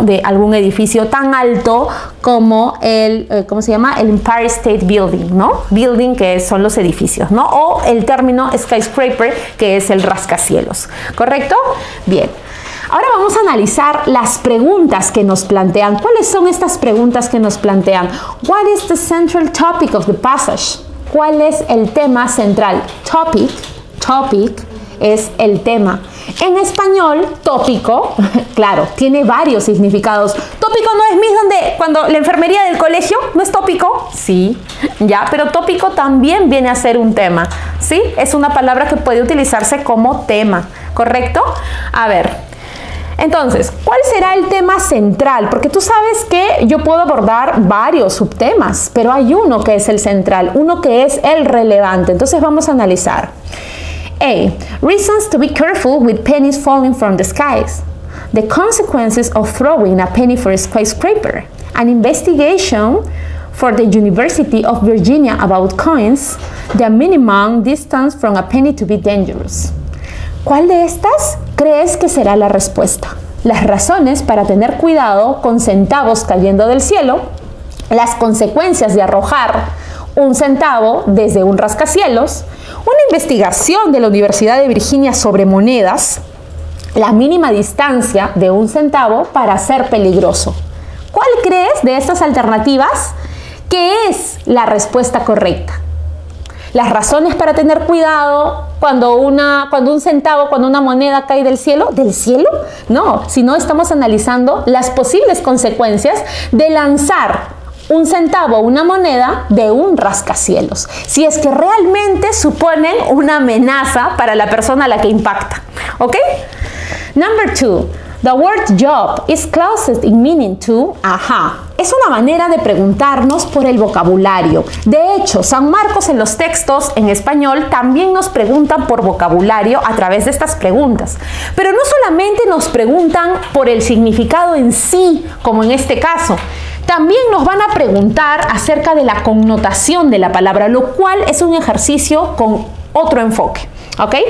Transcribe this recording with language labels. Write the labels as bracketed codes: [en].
[es] De algún edificio tan alto como el, ¿cómo se llama? El Empire State Building, ¿no? Building, que son los edificios, ¿no? O el término skyscraper, que es el rascacielos, ¿correcto? Bien. Ahora vamos a analizar las preguntas que nos plantean. ¿Cuáles son estas preguntas que nos plantean? [en] What is the central topic of the passage? [es] ¿Cuál es el tema central? Topic, topic es el tema. En español, tópico, claro, tiene varios significados. ¿Tópico no es mis donde cuando la enfermería del colegio no es tópico? Sí, ya, pero tópico también viene a ser un tema, ¿sí? Es una palabra que puede utilizarse como tema, ¿correcto? A ver. Entonces, ¿cuál será el tema central? Porque tú sabes que yo puedo abordar varios subtemas, pero hay uno que es el central, uno que es el relevante. Entonces vamos a analizar. A. [en] Reasons to be careful with pennies falling from the skies. The consequences of throwing a penny for a skyscraper. An investigation for the University of Virginia about coins. The minimum distance from a penny to be dangerous. [es] ¿Cuál de estas crees que será la respuesta? Las razones para tener cuidado con centavos cayendo del cielo, las consecuencias de arrojar un centavo desde un rascacielos, una investigación de la Universidad de Virginia sobre monedas, la mínima distancia de un centavo para ser peligroso. ¿Cuál crees de estas alternativas que es la respuesta correcta? Las razones para tener cuidado cuando una moneda cae del cielo. ¿Del cielo? No, sino estamos analizando las posibles consecuencias de lanzar un centavo, una moneda de un rascacielos. Si es que realmente suponen una amenaza para la persona a la que impacta. [en] ¿Ok? Number two. The word job is closest in meaning to, ajá. [es] Es una manera de preguntarnos por el vocabulario. De hecho, San Marcos en los textos en español también nos preguntan por vocabulario a través de estas preguntas. Pero no solamente nos preguntan por el significado en sí, como en este caso. También nos van a preguntar acerca de la connotación de la palabra, lo cual es un ejercicio con otro enfoque. ¿Ok?